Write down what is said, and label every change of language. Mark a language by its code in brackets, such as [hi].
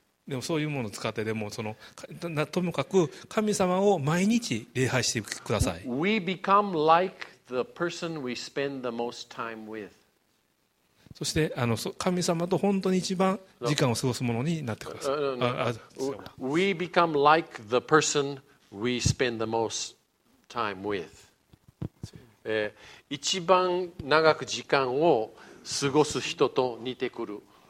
[ja] でもそういうものを使ってでもともかく神様を毎日礼拝してください。 [en] We become like the person we spend the most time with. [ja] そして神様と本当に一番時間を過ごすものになってください。 [en] We become like the person we spend the most time with. [ja] 一番長く時間を過ごす人と似てくる。